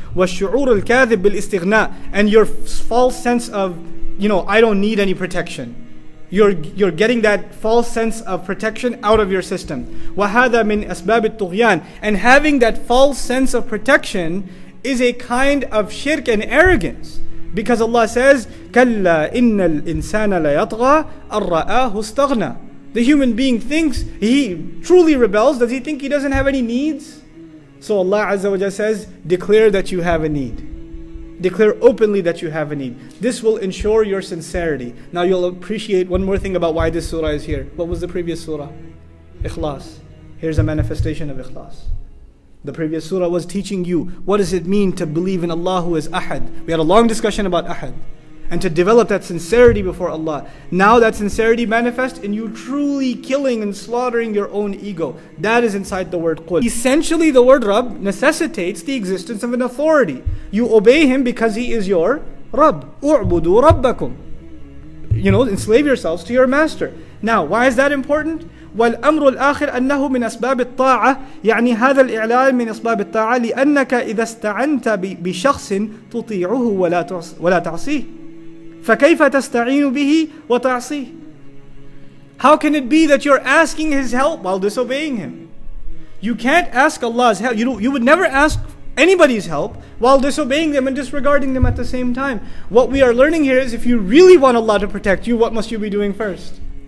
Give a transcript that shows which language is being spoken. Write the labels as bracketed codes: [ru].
[ar] والشعور الكاذب بالاستغناء, [en] and your false sense of, you know, I don't need any protection. You're getting that false sense of protection out of your system. [ar] وهذا من أسباب الطغيان, [en] and having that false sense of protection is a kind of shirk and arrogance. Because Allah says, [ar] كَلَّا إِنَّ الْإِنسَانَ لَيَطْغَى أَرَّآهُ اسْتَغْنَى. [en] The human being thinks he truly rebels. Does he think he doesn't have any needs? So Allah Azza wa Jalla says, declare that you have a need. Declare openly that you have a need. This will ensure your sincerity. Now you'll appreciate one more thing about why this surah is here. What was the previous surah? Ikhlas. Here's a manifestation of ikhlas. The previous surah was teaching you what does it mean to believe in Allah who is Ahad. We had a long discussion about Ahad. And to develop that sincerity before Allah. Now that sincerity manifests in you truly killing and slaughtering your own ego. That is inside the word Qul. Essentially the word Rabb necessitates the existence of an authority. You obey him because he is your Rabb. U'budu Rabbakum. You know, enslave yourselves to your master. Now, why is that important? [ar] وَالْأَمْرُ الْآخِرْ أَنَّهُ مِنْ أَسْبَابِ الطَّاعَةِ يعني هذا الإعلان من أسباب الطاعة لأنَّكَ إِذَا اسْتَعَنْتَ بِشَخْصٍ تُطِيعُهُ وَلَا تَعْصِيهِ فَكَيْفَ تَسْتَعِينُ بِهِ وَتَعْصِيهِ. [en] How can it be that you're asking his help while disobeying him? You can't ask Allah's help. You would never ask anybody's help while disobeying them and disregarding them at the same time. What we are learning here is if you really want Allah to protect you, what must you be doing first?